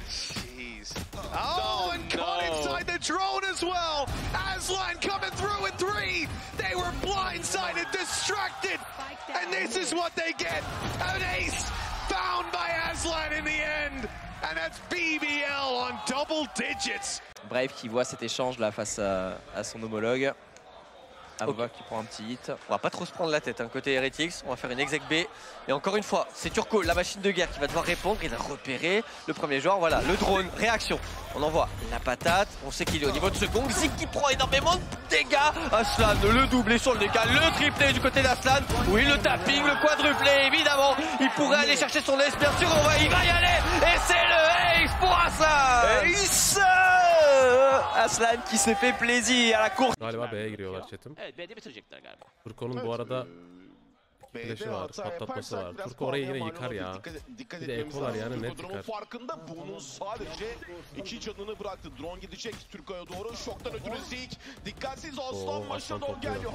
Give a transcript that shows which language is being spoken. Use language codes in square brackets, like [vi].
[en] Jeez. Caught inside the drone as well. Aslan coming through with three. They were blindsided, distracted. And this is what they get. An ace found by Aslan in the end. And that's BBL on double digits. [fr] Brave qui voit cet échange là face à son homologue. Abba okay. Qui prend un petit hit. On va pas trop se prendre la tête hein. Côté Heretics. On va faire une exec B. Et encore une fois, c'est Turco, la machine de guerre qui va devoir répondre. Il a repéré le premier joueur. Voilà, le drone, réaction. On envoie la patate. On sait qu'il est au niveau de ce gong. Zeke qui prend énormément de dégâts. Aslan, le doublé sur le dégât. Le triplé du côté d'Aslan. Oui, le tapping, le quadruplé, évidemment. Il pourrait aller chercher son ace, bien sûr. On va, il va y aller. Et c'est le ace pour Aslan. Ace Aslan qui s'est fait plaisir à la course. [tr] Galiba B'ye giriyorlar chat'im. Evet B'de bitirecekler galiba. Turko'nun evet, bu arada flash'ı var, patlatması var. Turko orayı yine yıkar ya. Dikkat etmemiz lazım. Ekolar yani net yıkar. Farkında bunun sadece iki canını bıraktı. Drone gidecek Turko'ya doğru. Şoktan ötürü Zeke. Dikkatsiz Aslan başına doğru geldi.